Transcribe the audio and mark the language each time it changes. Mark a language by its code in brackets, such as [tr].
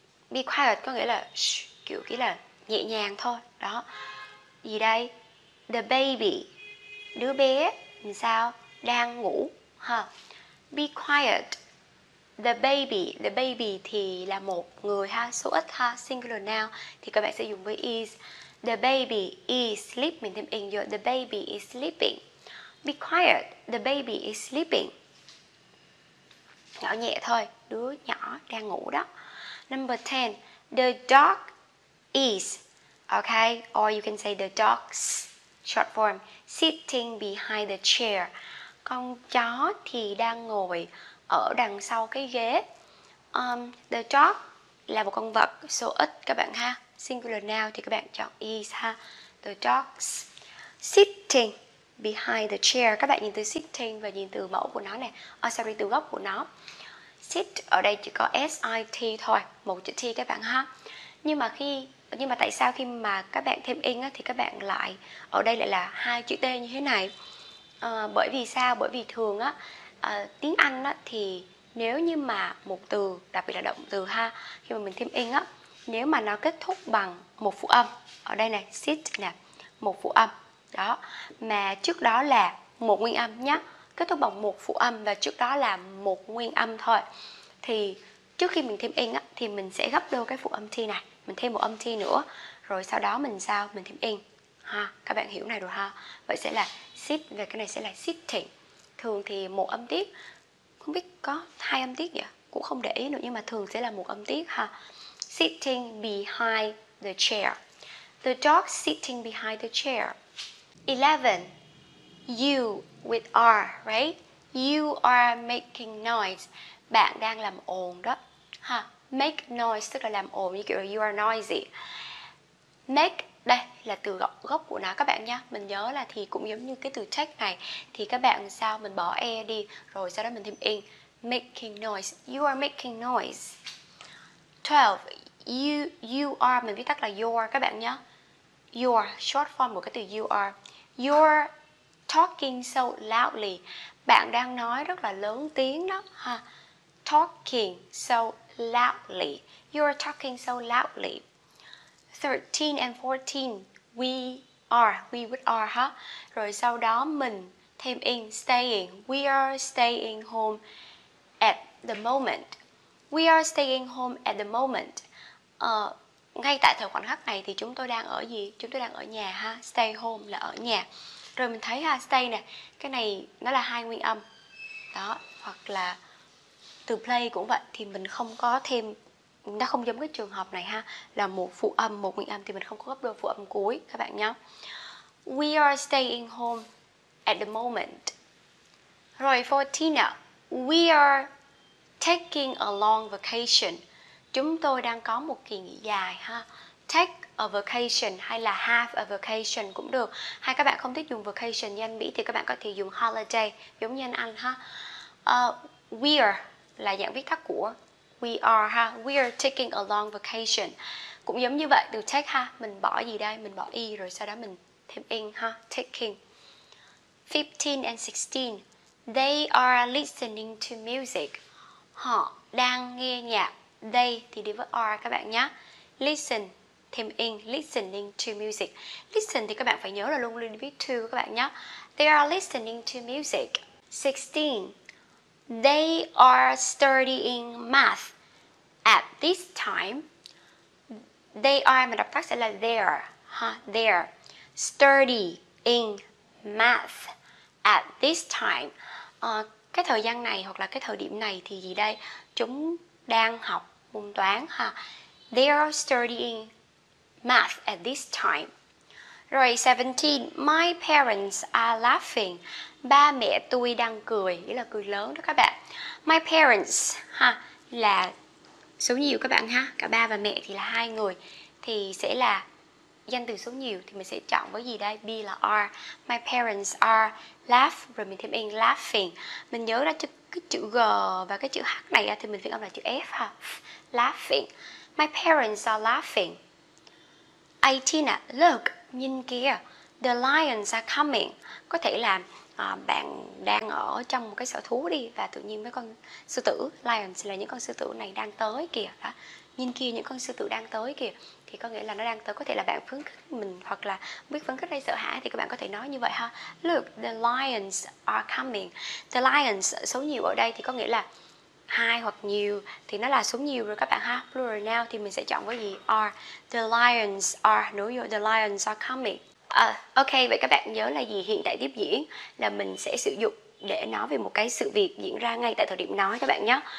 [en] Be quiet [vi] có nghĩa là shh, kiểu cái là nhẹ nhàng thôi. Đó. Gì đây? [en] The baby, [vi] đứa bé, làm sao? Đang ngủ. Huh? [en] Be quiet. The baby [vi] thì là một người ha, số ít ha, [en] singular noun [vi] thì các bạn sẽ dùng với is. [en] The baby is sleeping, [vi] thêm [en] in your, the baby is sleeping. Be quiet, the baby is sleeping. [vi] Nhỏ nhẹ thôi, đứa nhỏ đang ngủ đó. [en] Number 10, the dog is, okay, or you can say the dog's short form, sitting behind the chair. [vi] Con chó thì đang ngồi ở đằng sau cái ghế. [en] The dog [vi] là một con vật, số ít các bạn ha. [en] Singular noun [vi] thì các bạn chọn is ha. [en] The dog's sitting behind the chair. [vi] Các bạn nhìn từ sitting và nhìn từ mẫu của nó này. Oh, sorry, từ gốc của nó. Sit ở đây chỉ có S-I-T thôi, một chữ T các bạn ha. Nhưng mà tại sao khi mà các bạn thêm in á, thì các bạn lại ở đây lại là hai chữ T như thế này? Bởi vì sao? Bởi vì thường á, tiếng Anh á, thì nếu như mà một từ, đặc biệt là động từ ha, khi mà mình thêm in á, nếu mà nó kết thúc bằng một phụ âm, ở đây này, sit nè, một phụ âm đó, mà trước đó là một nguyên âm nhé, kết thúc bằng một phụ âm và trước đó là một nguyên âm thôi, thì trước khi mình thêm in á, thì mình sẽ gấp đôi cái phụ âm T này, mình thêm một âm T nữa, rồi sau đó mình sao? Mình thêm in ha. Các bạn hiểu này rồi ha. Vậy sẽ là sit, và cái này sẽ là sitting. Thường thì một âm tiết, không biết có hai âm tiết nhỉ, cũng không để ý nữa, nhưng mà thường sẽ là một âm tiết ha. [en] Sitting behind the chair. The dog sitting behind the chair. 11. You with are, right? You are making noise. [vi] Bạn đang làm ồn đó ha. [en] Make noise [vi] tức là làm ồn, như kiểu là [en] you are noisy. [vi] Make, đây là từ gốc của nó các bạn nhé. Mình nhớ là thì cũng giống như cái từ take này, thì các bạn sao mình bỏ e đi, rồi sau đó mình thêm in. [en] Making noise, you are making noise. 12. [vi] You are, mình viết tắt là your các bạn nhé. Your, [en] short form [vi] của cái từ you are. [en] You're talking so loudly. [vi] Bạn đang nói rất là lớn tiếng đó ha. [en] Talking so loudly. You're talking so loudly. 13 and 14. We with are ha. Huh? [vi] Rồi sau đó mình thêm in staying. [en] We are staying home at the moment. We are staying home at the moment. [vi] Ngay tại thời khoảnh khắc này thì chúng tôi đang ở gì? Chúng tôi đang ở nhà ha. [en] Stay home [vi] là ở nhà. Rồi mình thấy ha, stay nè, cái này nó là hai nguyên âm. Đó, hoặc là từ play cũng vậy, thì mình không có thêm, nó không giống cái trường hợp này ha, là một phụ âm, một nguyên âm, thì mình không có gấp đôi phụ âm cuối các bạn nhé. [en] We are staying home at the moment. [vi] Rồi 14 nè, [en] we are taking a long vacation. [vi] Chúng tôi đang có một kỳ nghỉ dài ha. [en] Take a vacation [vi] hay là [en] have a vacation [vi] cũng được. Hay các bạn không thích dùng vacation như anh Mỹ thì các bạn có thể dùng holiday giống như anh ha. [en] We are [vi] là dạng viết tắt của [en] we are [vi] ha. [en] We are taking a long vacation. [vi] Cũng giống như vậy, từ take ha, mình bỏ gì đây? Mình bỏ y rồi sau đó mình thêm in ha, taking. [en] 15 and 16. They are listening to music. [vi] Họ đang nghe nhạc. They thì đi với are các bạn nhé. Listen thêm in, [en] listening to music. [vi] Listen thì các bạn phải nhớ là luôn luôn viết to các bạn nhé. [en] They are listening to music. 16. They are studying math at this time. They are, [vi] mình đọc tắt sẽ là there ha. [en] There. Studying math at this time. [vi] Cái thời gian này hoặc là cái thời điểm này thì gì đây? Chúng đang học môn toán ha. [en] They are studying math at this time. [vi] Rồi [en] 17. My parents are laughing. [vi] Ba mẹ tôi đang cười, nghĩa là cười lớn đó các bạn. [en] My parents [vi] ha là số nhiều các bạn ha, cả ba và mẹ thì là hai người, thì sẽ là danh từ số nhiều, thì mình sẽ chọn với gì đây? Be là are. [en] My parents are laugh, [vi] rồi mình thêm in laughing. Mình nhớ ra cái chữ G và cái chữ H này thì mình phiên âm là chữ F ha. [en] Laughing. My parents are laughing. Ai Tina, look, [vi] nhìn kìa, [en] the lions are coming. [vi] Có thể là bạn đang ở trong một cái sở thú đi và tự nhiên mấy con sư tử, lions là những con sư tử này đang tới kìa. Đó. Nhìn kìa, những con sư tử đang tới kìa. Thì có nghĩa là nó đang tới, có thể là bạn phấn khích mình hoặc là biết phấn khích hay sợ hãi thì các bạn có thể nói như vậy ha. [en] Look, the lions are coming. The lions, [vi] số nhiều ở đây thì có nghĩa là hai hoặc nhiều thì nó là số nhiều rồi các bạn ha. [en] Plural noun [vi] thì mình sẽ chọn cái gì? [en] Are. The lions are, [vi] đúng rồi, [en] the lions are coming. [vi] Ok, vậy các bạn nhớ là gì? Hiện tại tiếp diễn là mình sẽ sử dụng để nói về một cái sự việc diễn ra ngay tại thời điểm nói các bạn nhé.